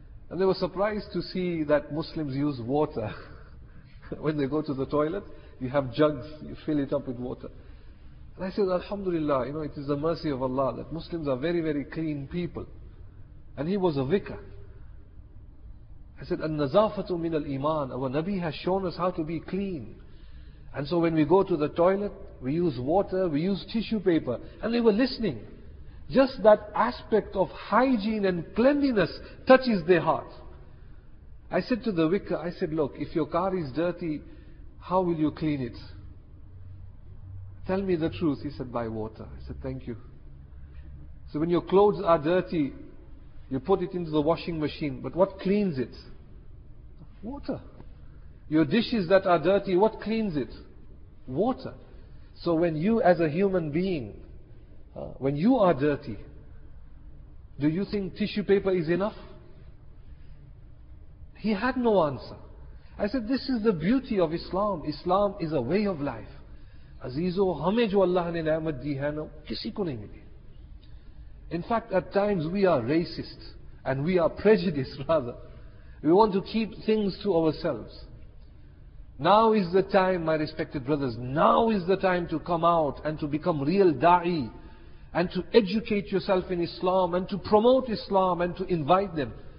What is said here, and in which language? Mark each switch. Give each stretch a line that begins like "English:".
English: And they were surprised to see that Muslims use water. When they go to the toilet, you have jugs, you fill it up with water. And I said, Alhamdulillah, you know, it is the mercy of Allah that Muslims are very, very clean people. And he was a vicar.
Arabic: I said, النَّزَافَةُ مِنَ الْإِيمَانِ.
English: Our Nabi has shown us how to be clean. And so when we go to the toilet, we use water, we use tissue paper. And they were listening. Just that aspect of hygiene and cleanliness touches their heart. I said to the vicar, I said, look, if your car is dirty, how will you clean it? Tell me the truth. He said, by water. I said, thank you. So when your clothes are dirty, you put it into the washing machine, but what cleans it? Water. Your dishes that are dirty, what cleans it? Water. So when you as a human being, when you are dirty, do you think tissue paper is enough? He had no answer. I said, this is the beauty of Islam. Islam is a way of life.
Urdu: عزیزو، ہمیں جو اللہ نے نعمت دی ہے نا، کسی کو نہیں ملی۔
English: In fact, at times we are racist and we are prejudiced rather. We want to keep things to ourselves. Now is the time, my respected brothers, now is the time to come out and to become real da'i and to educate yourself in Islam and to promote Islam and to invite them.